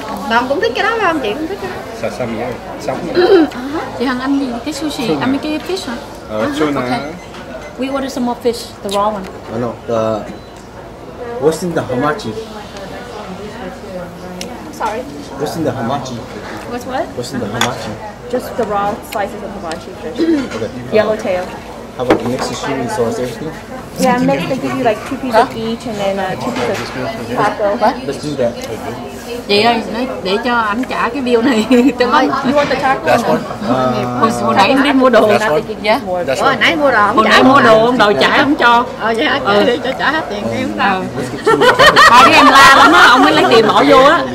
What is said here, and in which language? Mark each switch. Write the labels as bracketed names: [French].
[Vietnamese] Bà cũng thích cái đó không? Chị cũng thích cái đó. Sashimi, chị Hằng ăn gì? Cái sushi, ăn mấy cái fish hả? Tuna. [English] We order some more fish, the raw one. I know. The what's in the hamachi? Sorry. What's in the hamachi? What's what? What's in the hamachi? Just the raw slices of hamachi fish. Yellow tail. How about mixed sashimi sauce, everything? Yeah, mixed. They give you like two pieces of each and then two pieces of taco. What? Let's do that. [Vietnamese] Chị ơi, để cho anh trả cái bill này. Tớ mới. [English] You want the taco? That's one. [Vietnamese] Hồi nãy em đi mua đồ. [English] That's one. Yeah. That's one. [Vietnamese] Hồi nãy mua đồ, không trả. Hồi nãy mua đồ, ông đòi trả, không cho. Ờ, dạ, cho trả hết tiền đi, không sao. Thôi, cái em la lắm á, ông mới lấy tiền bỏ vô á.